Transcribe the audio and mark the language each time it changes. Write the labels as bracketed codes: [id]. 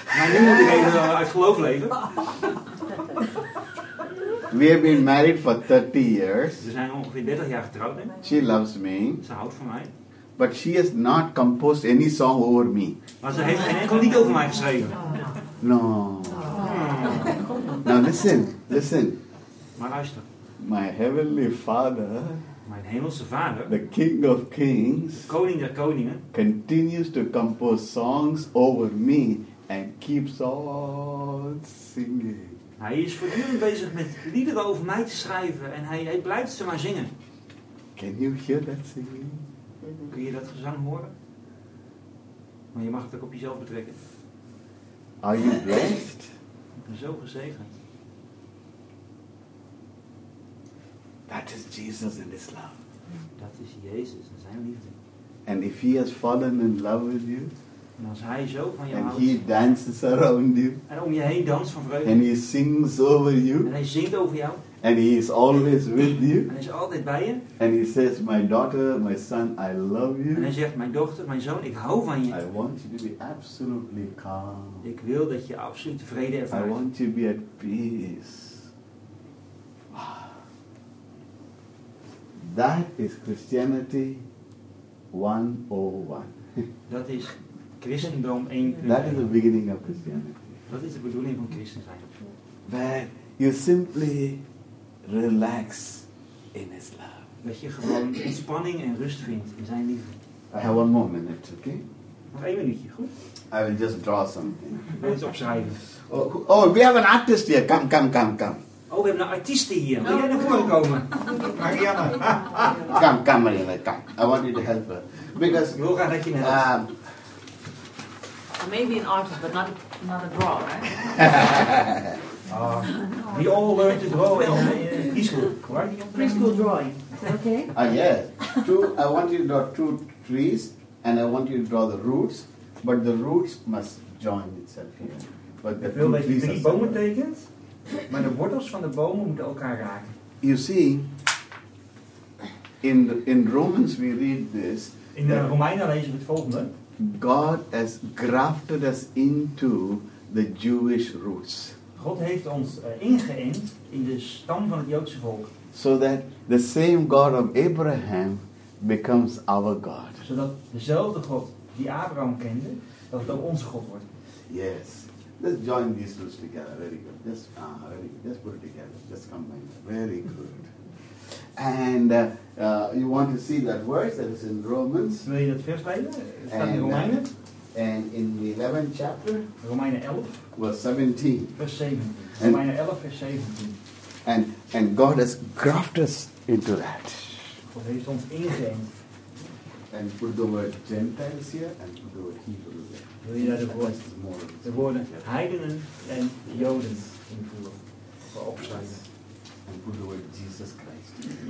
[nl] Maar nu moet ik even uit geloof leven. [en] We have been married for 30 years. [nl] We zijn ongeveer 30 jaar getrouwd, hè? [en] She loves me. [nl] Ze houdt van mij. [en] But she has not composed any song over me. [nl] Maar ze heeft geen enkel lied over mij geschreven. [en] No. Oh. Now listen, listen. [nl] Maar luister. [en] My heavenly father. [nl] Mijn hemelse vader. [en] The King of Kings. [nl] De koning der koningen. [en] Continues to compose songs over me and keeps on singing. [nl] Hij is voortdurend bezig met liederen over mij te schrijven en hij blijft ze maar zingen. [en] Can you hear that singing? [nl] Kun je dat gezang horen? Maar je mag het ook op jezelf betrekken. [en] Are you blessed? [nl] Ik ben zo gezegend. [en] That is Jesus and his love. [nl] Dat is Jezus en zijn liefde. [en] And if he has fallen in love with you. [nl] En als hij zo van je [en] and [nl] houdt. [en] He dances around you. [nl] En om je heen danst van vreugde. [en] And he sings over you. [nl] En hij zingt over jou. [en] And he is always with you. [nl] En hij is altijd bij je. [en] And he says, my daughter, my son, I love you. [nl] En hij zegt, mijn dochter, mijn zoon, ik hou van je. [en] I want you to be absolutely calm. [nl] Ik wil dat je absoluut tevreden ervaart. [en] I want you to be at peace. That is Christianity 101. [nl] Dat is Christendom 1.0. [en] That is the beginning of Christianity. [nl] Dat is de bedoeling van Christen zijn. [en] Where you simply relax in his love. [nl] Dat je gewoon ontspanning en rust vindt in zijn liefde. [en] I have one more minute, okay? [nl] Nog één minuutje, goed? [en] I will just draw something. [nl] Wil je iets opschrijven? [en] Oh, we have an artist here. Come. [nl] Oh, we hebben een artiest hier. Wil jij naar voren komen? [en] Marianne. Come, Marianne, come. I want you to help her. Because [nl] ik wil graag dat je helpt. [en] So maybe an artist, but not a drawer, right? We all learn to draw in preschool, right? Preschool drawing. Okay. Yes. I want you to draw two trees, and I want you to draw the roots, but the roots must join itself here. But the [nl] wil dat je drie bomen tekent, maar de wortels van de bomen moeten elkaar raken. [en] You see, in Romans we read this. [nl] In de Romeinen lezen we het volgende. [en] God has grafted us into the Jewish roots. [nl] God heeft ons ingeënt in de stam van het Joodse volk. [en] So that the same God of Abraham becomes our God. [nl] Zodat dezelfde God die Abraham kende, dat het ook onze God wordt. [en] Yes. Let's join these roots together. Very good. Just put it together. Just combine it. Very good. And you want to see that verse that is in Romans. [nl] Wil je dat vers lezen? Staat in Romeinen. [en] And in the 11th chapter, [nl] Romeinen 11, [en] verse 17. Verse 17. Romeinen 11, verse 17. And God has grafted us into that. [nl] God heeft ons ingeënt. [en] And put the word Gentiles here and put the word Hebrew there. [nl] Wil je daar de woorden heidenen en Joden invoeren? Voor opschrijven. Yes. [en] And put the word Jesus Christ.